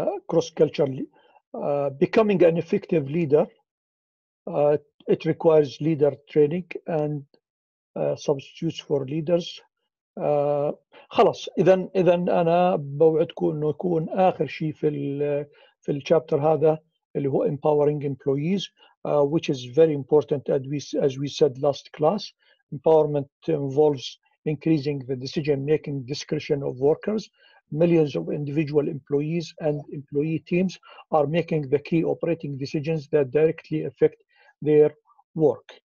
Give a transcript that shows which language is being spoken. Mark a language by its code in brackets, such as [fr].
[en] Cross culture becoming an effective leader it requires leader training and substitutes for leaders. [ar] خلاص إذا أنا بوعدكم إنه يكون آخر شيء في الشابتر هذا اللي هو [en] empowering employees which is very important as we said last class. Empowerment involves increasing the decision making discretion of workers. Millions of individual employees and employee teams are making the key operating decisions that directly affect their work.